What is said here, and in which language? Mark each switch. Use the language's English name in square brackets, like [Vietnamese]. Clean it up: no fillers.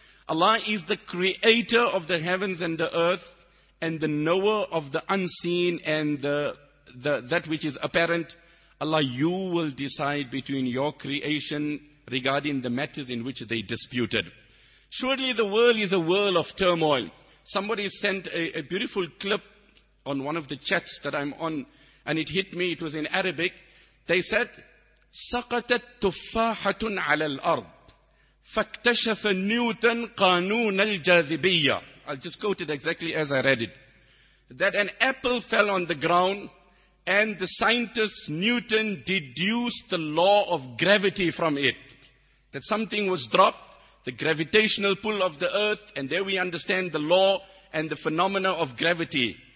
[English] Allah is the creator of the heavens and the earth, and the knower of the unseen and that which is apparent. Allah, you will decide between your creation regarding the matters in which they disputed. Surely the world is a world of turmoil. Somebody sent a beautiful clip on one of the chats that I'm on, and it hit me. It was in Arabic. They said, [Arabic] سَقَتَتْ تُفَّاحَةٌ عَلَى الْأَرْضِ فَاكْتَشَفَ نِوتَنْ قَانُونَ الْجَاذِبِيَّةِ. [English] I'll just quote it exactly as I read it. That an apple fell on the ground, and the scientist Newton deduced the law of gravity from it. That something was dropped, the gravitational pull of the earth, and there we understand the law and the phenomena of gravity.